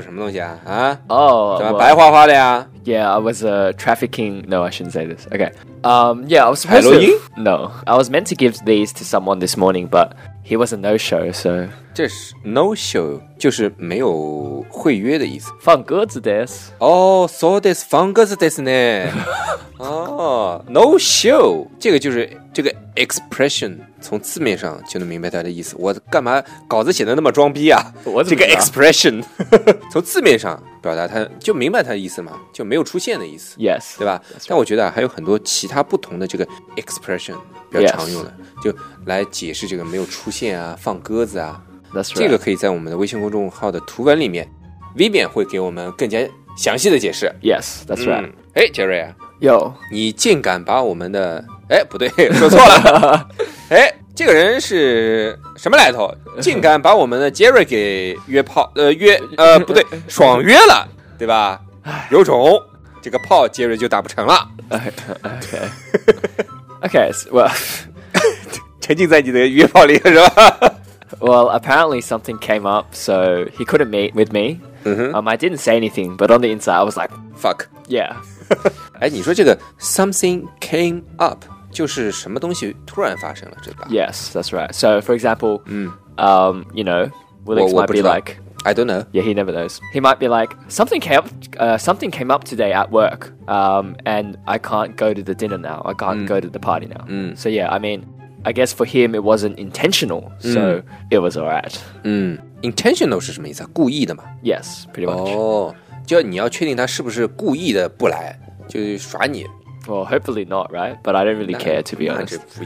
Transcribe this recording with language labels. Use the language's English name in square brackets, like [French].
[Chinese] 今天图文当然跟稿子是不一样的，稿子就是搞一搞嘛，搞搞更甜。图文是不一样的，图文我们会有更多的内容，更详细的解释，对吧？更多好玩的东西。你广告打够了没有？还没有。Jerry，yo，你这个怎么一袋两袋的都是什么东西啊？哦，怎么白花花的呀？ [English] Yeah, I was trafficking. No, I shouldn't say this. Okay. Yeah, I was supposed to. Halloween? No, I was meant to give these to someone this morning, but. He was a no-show, so... [Chinese] 这是 no-show, 就是没有会约的意思。放鸽子des. [English] Oh, so this [Chinese] 放鸽子des呢? no-show, 这个就是 expression, 从字面上就能明白他的意思。我干嘛稿子写得那么装逼啊? 我怎么知道? 这个 expression, 从字面上表达他就明白他的意思嘛,就没有出现的意思。 [English] Yes. [Chinese] 对吧? [English] Right. [Chinese] 但我觉得还有很多其他不同的这个 expression, 比较常用的。 [English] Yes. [Chinese] 就来解释这个没有出现啊，放鸽子啊， [English] That's right. [Chinese] 这个可以在我们的微信公众号的图文里面， Vivian 会给我们更加详细的解释。 [English] Yes, that's right. [Chinese] 诶, Jerry 啊, Yo, 你竟敢把我们的， 诶, 不对, 说错了。诶, 这个人是什么来头？竟敢把我们的Jerry给约炮， 不对, 爽约了, 对吧？有种, 这个炮Jerry就打不成了。 [English] Okay, okay, well... [Chinese] 沉浸在你的约炮里是吧? [English] Well, apparently something came up, so he couldn't meet with me. Mm-hmm. I didn't say anything, but on the inside, I was like, fuck. Yeah. [Chinese] 哎，你说这个 [English] something came up [Chinese] 就是什么东西突然发生了，对吧？ [English] Yes, that's right. So, for example, you know, Willix might be like, I don't know. Yeah, he never knows. He might be like, something came up today at work, and I can't go to the dinner now. I can't go to the party now. So yeah, I mean. I guess for him, it wasn't intentional, so it was alright. [Chinese] Intentional 是什么意思啊? 故意的吗? [English] Yes, pretty much. [Chinese] Oh, 就你要确定他是不是故意的不来，就耍你。 [English] Well, hopefully not, right? But I don't really care, to be honest.